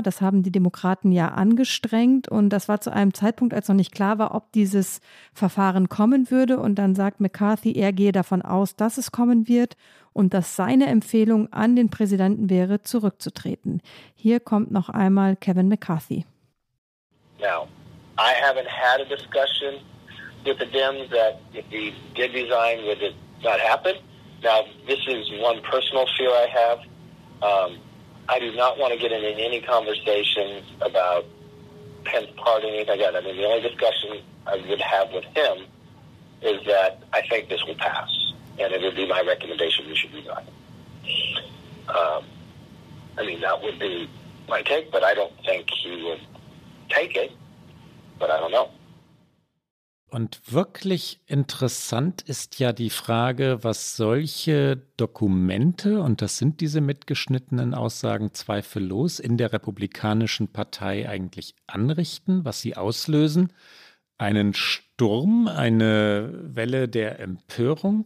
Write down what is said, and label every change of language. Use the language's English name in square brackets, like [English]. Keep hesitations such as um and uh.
[German] Das haben die Demokraten ja angestrengt. Und das war zu einem Zeitpunkt, als noch nicht klar war, ob dieses Verfahren kommen würde. Und dann sagt McCarthy, er gehe davon aus, dass es kommen wird und dass seine Empfehlung an den Präsidenten wäre, zurückzutreten. Hier kommt noch einmal Kevin McCarthy. [English] Now, I haven't had a discussion with the Dems that if he did resign, would not happen? Now, this is one personal fear I have. Um, I do not want to get into any, any conversations about Penn's pardoning. Like that. I mean, the only discussion I would have with him is that I think this will pass, and it would be my recommendation we should do that. Um, I mean, that would be my take, but I don't think he would take it, but I don't know. [German] Und wirklich interessant ist ja die Frage, was solche Dokumente, und das sind diese mitgeschnittenen Aussagen zweifellos, in der Republikanischen Partei eigentlich anrichten, was sie auslösen. Einen Sturm, eine Welle der Empörung.